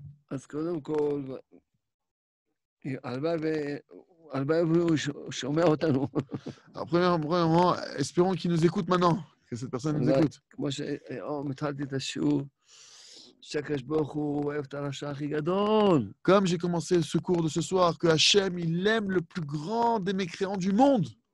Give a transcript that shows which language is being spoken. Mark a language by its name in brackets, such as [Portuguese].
[Hebrew] אז קודם כל, הלוואי והוא שומע אותנו. [French] Premièrement, espérons qu'il nous écoute maintenant, que cette personne nous écoute. [Hebrew] כמו שמתחלתי את השיעור, שהקדוש ברוך הוא אוהב את הרשע הכי גדול. [French] Comme j'ai commencé ce cours de ce soir, que Hachem, il aime le plus grand des mécréants du monde.